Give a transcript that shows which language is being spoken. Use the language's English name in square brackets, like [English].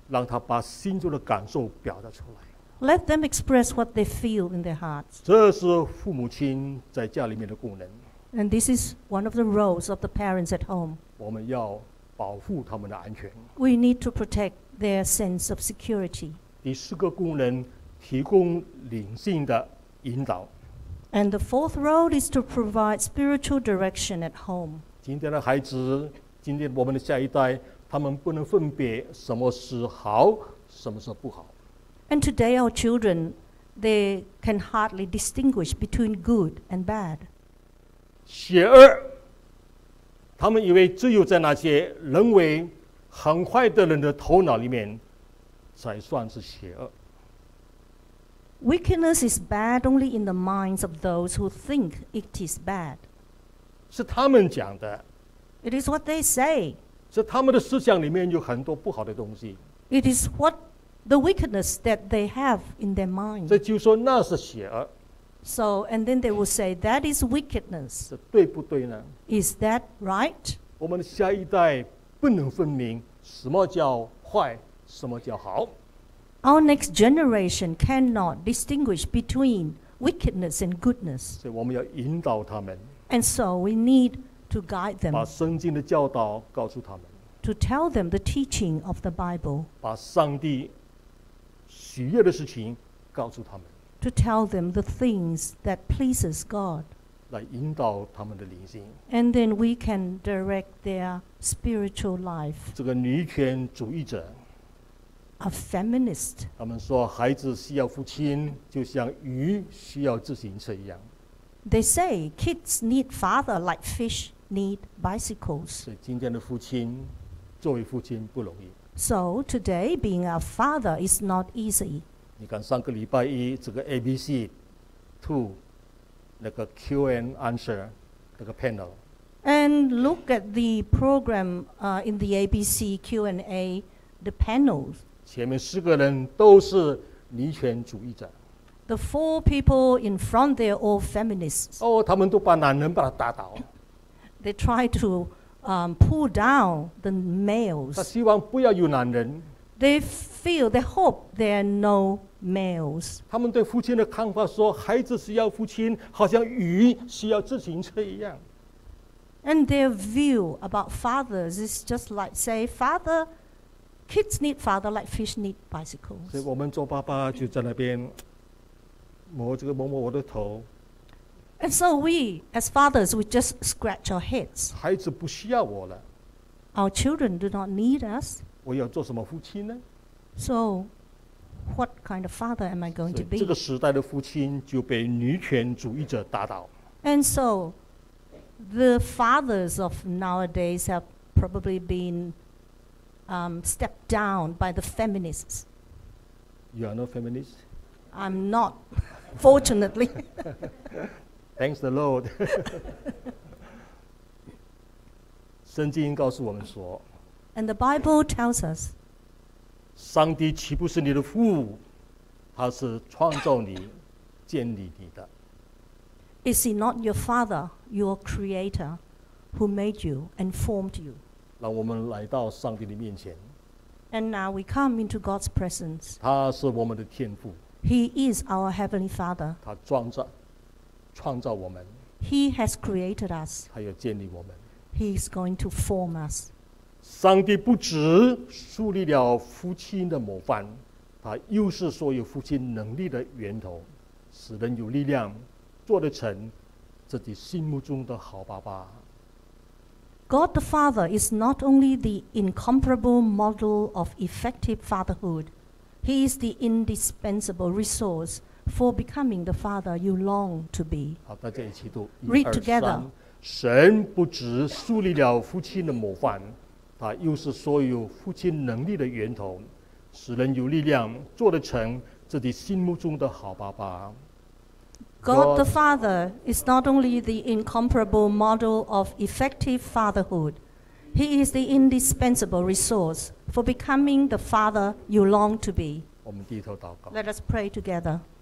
[Chinese] 让他把心中的感受表达出来， [English] let them express what they feel in their hearts. [Chinese] 这是父母亲在家里面的功能， [English] and this is one of the roles of the parents at home. [Chinese] 我们要保护他们的安全， [English] we need to protect their sense of security. [Chinese] 第四个功能，提供灵性的引导。 [English] And the fourth role is to provide spiritual direction at home. [Chinese] 今天的孩子，今天我们的下一代，他们不能分别什么是好，什么是不好。 [English] And today our children, they can hardly distinguish between good and bad. [Chinese] 邪恶，他们以为只有在那些人为很坏的人的头脑里面才算是邪恶。 [English] Wickedness is bad only in the minds of those who think it is bad. [Chinese] 是他们讲的， [English] it is what they say. [Chinese] 是他们的思想里面有很多不好的东西， [English] it is what the wickedness that they have in their mind. [Chinese] 这就说那是邪恶。 [English] So, and then they will say, that is wickedness. [Chinese] 这对不对呢？ [English] Is that right? [Chinese] 我们下一代不能分明什么叫坏，什么叫好。 [English] Our next generation cannot distinguish between wickedness and goodness. [Chinese] 所以我们要引导他们。 [English] And so we need to guide them. [Chinese] 把圣经的教导告诉他们。 [English] To tell them the teaching of the Bible. [Chinese] 把上帝喜悦的事情告诉他们。 [English] To tell them the things that pleases God. [Chinese] 来引导他们的灵性。 [English] And then we can direct their spiritual life. [Chinese] 这个女权主义者， [English] a feminist. [Chinese] 他们说孩子需要父亲就像鱼需要自行车一样。 [English] They say kids need father like fish need bicycles. [Chinese] 所以今天的父亲，作为父亲不容易。 [English] So today being a father is not easy. [Chinese] 你看上个礼拜一这个 ABC Two 那个 Q&A answer 那个 panel， [English] and look at the program in the ABC Q&A the panels， [Chinese] 前面四个人都是女权主义者， [English] the four people in front they're all feminists， [Chinese] 哦，他们都把男人把他打倒， [English] they try to pull down the males， [Chinese] 他希望不要有男人。 [English] They feel, they hope there are no males. [Chinese] 他们对父亲的看法说，孩子需要父亲，好像鱼需要自行车一样。 [English] And their view about fathers is just like say, father, kids need father like fish need bicycles. [Chinese] 所以我们做爸爸就在那边摸这个摸摸我的头。 [English] And so we, as fathers, we just scratch our heads. [Chinese] 孩子不需要我了。 [English] Our children do not need us. [Chinese] 我要做什么父亲呢？ [English] So, what kind of father am I going to be? [Chinese] 这个时代的父亲就被女权主义者打倒。 [English] And so, the fathers of nowadays have probably been stepped down by the feminists. You are not feminist? I'm not, fortunately. Thanks the Lord. [Chinese] 圣经告诉我们说， [English] And the Bible tells us, [Chinese] 上帝岂不是你的父，他是创造你，建立你的。 [English] Is he not your father, your creator, who made you and formed you? [Chinese] 让我们来到上帝的面前。 [English] And now we come into God's presence. [Chinese] 他是我们的天父。 [English] He is our heavenly father. [Chinese] 他创造我们。 [English] He has created us. [Chinese] 他要建立我们。 [English] He is going to form us. [Chinese] 上帝不只树立了父亲的模范，他又是所有父亲能力的源头，使人有力量做得成自己心目中的好爸爸。 [English] God the Father is not only the incomparable model of effective fatherhood, he is the indispensable resource for becoming the father you long to be. [Chinese] 好，大家一起读 [English] read together. [Chinese] 神不只树立了父亲的模范，他又是所有父亲能力的源头，使人有力量做得成自己心目中的好爸爸。 [English] God the Father is not only the incomparable model of effective fatherhood, He is the indispensable resource for becoming the father you long to be. Let us pray together.